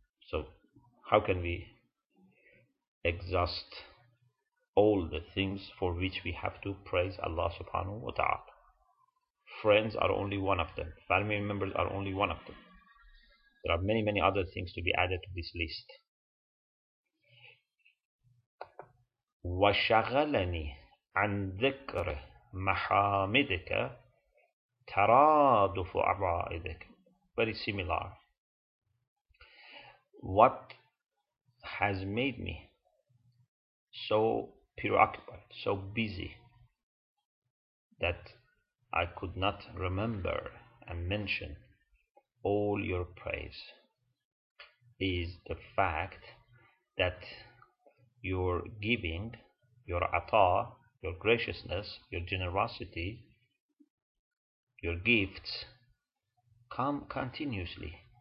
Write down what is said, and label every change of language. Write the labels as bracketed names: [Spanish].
[English] So how can we exhaust all the things for which we have to praise Allah subhanahu wa ta'ala? Friends are only one of them. Family members are only one of them. There are many, many other things to be added to this list. [Arabic] وَشَغَلَنِي عَنْ ذِكْرِ مَحَامِدِكَ ترادف أعضائك. [English] Very similar. What has made me so preoccupied, so busy, that I could not remember and mention all your praise, is the fact that your giving, your ata, your graciousness, your generosity, your gifts come continuously.